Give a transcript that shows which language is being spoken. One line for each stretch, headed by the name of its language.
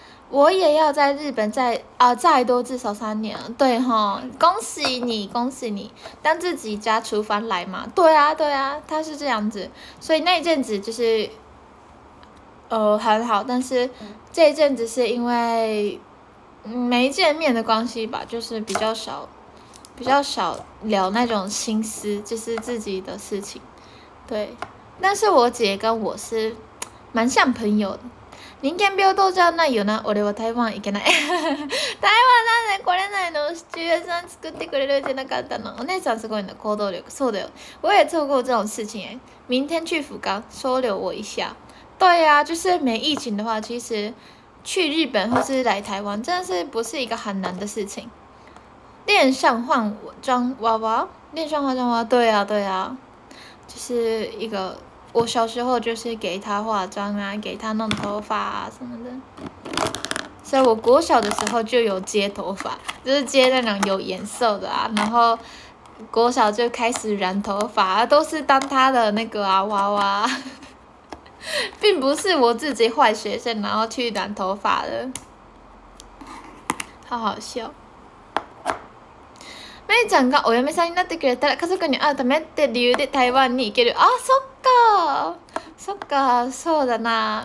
Chinese: 我也要在日本再多至少三年，对哈，恭喜你，恭喜你，当自己家厨房来嘛，对啊，对啊，他是这样子，所以那一阵子就是，很好，但是这一阵子是因为没见面的关系吧，就是比较少聊那种心思，就是自己的事情，对，但是我姐跟我是蛮像朋友的。
Japanese: 人間平等じゃないよな。俺は台湾行けない。台湾なんで来れないの？シチュエーション作ってくれるじゃなかったの？お姉さんすごいの。行動力。そうだよ。
Chinese: 我也做过这种事情耶。明天去福冈，收留我一下。对啊，就是没疫情的话，其实去日本或是来台湾，真的是不是一个很难的事情。恋上化妆娃娃，恋上化妆娃娃，对啊，对啊，就是一个。我小时候就是给他化妆啊，给他弄头发啊什么的，所以我国小的时候就有接头发，就是接那种有颜色的啊，然后国小就开始染头发，都是当他的那个啊娃娃，并不是我自己坏学生然后去染头发的，好好笑。
Japanese: めいちゃんがお嫁さんになってくれたら家族に会うためって理由で台湾に行ける。あ、そっか、そっか、そうだな。